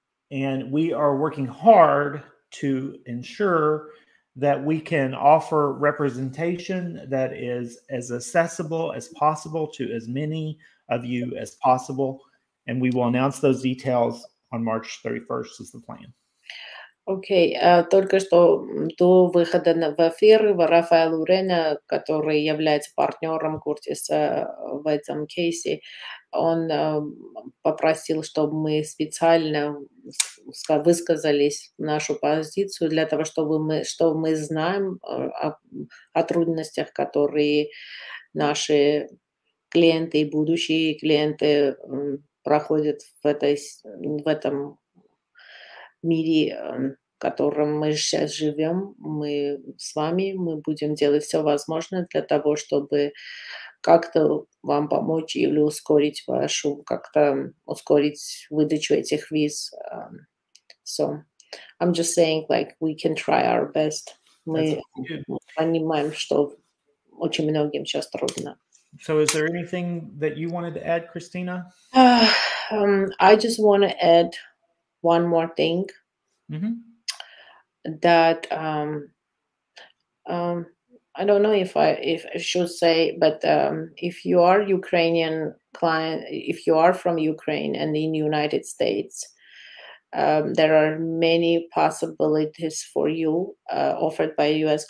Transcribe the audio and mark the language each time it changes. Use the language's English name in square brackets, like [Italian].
[English] And we are working hard to ensure that we can offer representation that is as accessible as possible to as many of you as possible, and we will announce those details on March 31st is the plan. [Russian] Okay, только что до выхода в эфир Рафаэл Урена, который является партнером Куртиса в этом кейсе, он попросил, чтобы мы специально высказались в нашу позицию для того, чтобы мы знаем о трудностях, которые наши клиенты и будущие клиенты проходят в этом мире, в котором мы сейчас живем. Мы с вами, мы будем делать все возможное для того, чтобы как-то вам помочь или ускорить вашу, как-то ускорить выдачу этих виз. [English] So I'm just saying, like, we can try our best. [Russian] Мы понимаем, что очень многим сейчас трудно. [English] So is there anything that you wanted to add, Kristina? I just want to add one more thing. Mm-hmm. That I don't know if I should say, but if you are Ukrainian client, if you are from Ukraine and in the United States, there are many possibilities for you offered by U.S.